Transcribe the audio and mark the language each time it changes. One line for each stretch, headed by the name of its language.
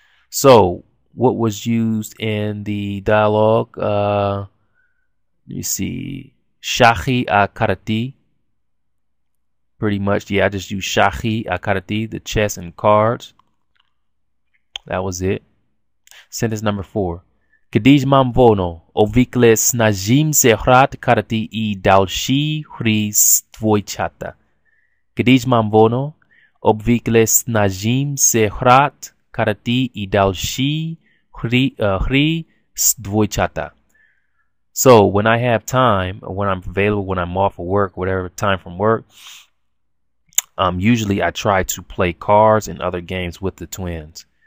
English: So what was used in the dialogue? Let me see,
Czech: šachy a karty.
English: Pretty much, yeah, I just used
Czech: šachy a karty,
English: the chess and cards. That was it. Sentence number four.
Czech: Když mám volno, obvykle snažím se hrát karty I další hry s dvojčata. Když mám volno, obvykle snažím se hrát karty I další hry s dvojčata.
English: So, when I have time, when I'm available, when I'm off of work, whatever time from work, usually I try to play cards and other games with the twins.